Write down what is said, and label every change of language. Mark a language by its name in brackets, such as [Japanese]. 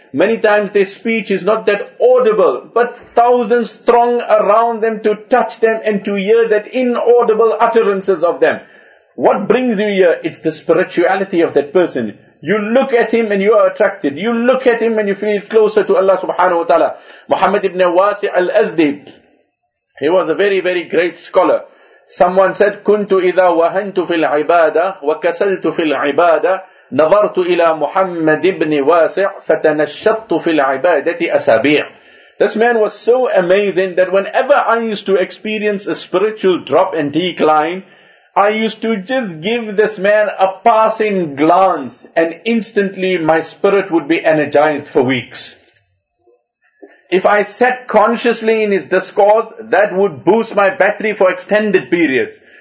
[English] Many times their speech is not that audible, but thousands throng around them to touch them and to hear that inaudible utterances of them. What brings you here? It's the spirituality of that person. You look at him and you are attracted. You look at him and you feel closer to Allah subhanahu wa ta'ala. Muhammad ibn Wasi' al-Azdi, he was a very, very great scholar. Someone said, [Arabic] كُنْتُ إِذَا وَهَنْتُ فِي الْعِبَادَةِ وَكَسَلْتُ فِي الْعِبَادَةِ نَظَرْتُ إِلَى مُحَمَّدْ إِبْنِ وَاسِعْ فَتَنَشَّطْتُ فِي الْعِبَادَةِ أَسَابِيعْ. [English] This man was so amazing that whenever I used to experience a spiritual drop and decline, I used to just give this man a passing glance and instantly my spirit would be energized for weeks. If I sat consciously in his discourse, that would boost my battery for extended periods.